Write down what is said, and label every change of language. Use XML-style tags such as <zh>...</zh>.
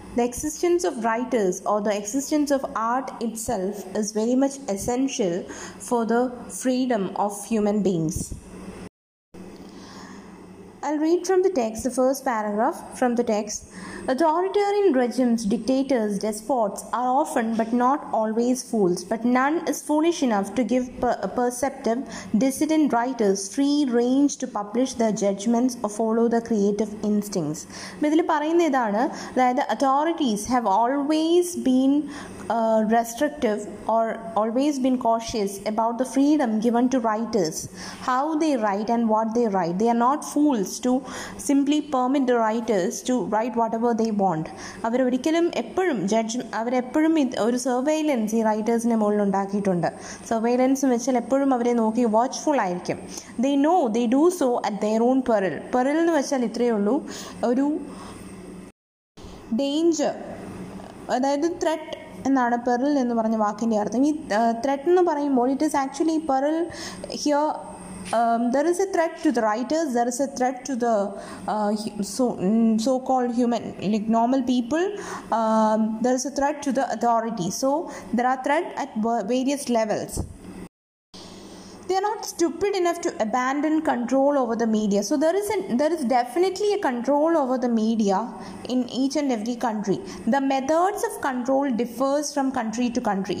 <en>The existence of writers or the existence of art itself is very much essential for the freedom of human beings. I'll read from the text, the first paragraph from the text. Authoritarian regimes, dictators, despots are often but not always fools, but none is foolish enough to give perceptive dissident writers free range to publish their judgments or follow their creative instincts.</en> <ml>ഇതില് പറയുന്ന ഇതാണ്, അതായത്</ml> <en>Authorities have always been restrictive or always been cautious about the freedom given to writers, how they write and what they write. They are not fools to simply permit the writers to write whatever they want.</en> <ml>അവരൊരിക്കലും എപ്പോഴും judge അവരെപ്പോഴും ഒരു surveillance ഈ റൈറ്റേഴ്സിൻ്റെ മുകളിൽ ഉണ്ടാക്കിയിട്ടുണ്ട്. Surveillance എന്ന് വെച്ചാൽ എപ്പോഴും അവരെ നോക്കി വാച്ച്ഫുൾ ആയിരിക്കും.</ml> <en>They know they do so at their own peril.</en> <ml>പെറിൽ എന്ന് വെച്ചാൽ ഇത്രയേ ഉള്ളൂ, ഒരു ഡേഞ്ചർ, അതായത് ത്രെട്ട് എന്നാണ് പെറിൽ എന്ന് പറഞ്ഞ വാക്കിൻ്റെ അർത്ഥം. ഈ ത്രെറ്റ് എന്ന് പറയുമ്പോൾ</ml> <en>It is actually peril here, there is a threat to the writers, there is a threat to the so called human like normal people, there is a threat to the authority. So there are threat at various levels. They are not stupid enough to abandon control over the media. So there is definitely a control over the media in each and every country. The methods of control differs from country to country.</en>